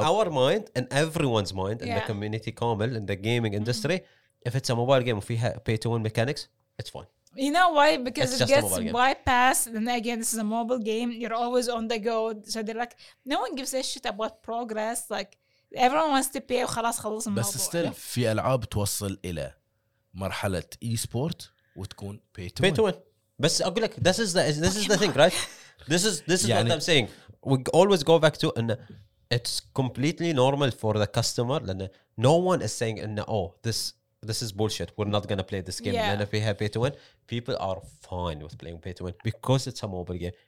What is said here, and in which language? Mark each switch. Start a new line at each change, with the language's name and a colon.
English: In our mind, in everyone's mind, in the community, كامل in the gaming industry, if it's a mobile game with pay to win mechanics, it's fine. You know why? Because it gets bypassed. And again, this is a mobile game. You're always on the go. So they're like, no one gives a shit about progress. Like, everyone wants to pay.
Arabic: خلاص خلص الموضوع. بس still, في ألعاب توصل إلى مرحلة e-sport وتكون pay to win. بس أقول لك,
English: this is the thing, right? This is what I'm saying. We always go back to, and it's completely normal for the customer. No one is saying, this is bullshit. We're not going to play this game. And if we have pay to win, people are fine with playing pay to win because it's a mobile game.